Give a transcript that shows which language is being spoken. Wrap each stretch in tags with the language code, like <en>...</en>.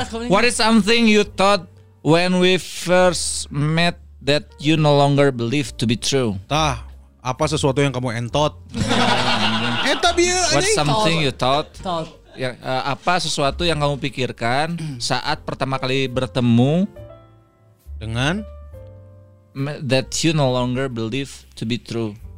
<en>What is something you thought when we first met that you no longer believe to be true?</en> <id>Tah, apa sesuatu yang kamu entot?</id> <su>Eta bieu anjing.</su> <en>What something you thought?</en> <id>Apa sesuatu yang kamu pikirkan saat pertama kali bertemu dengan</id> <en>that you no longer believe to be true.</en>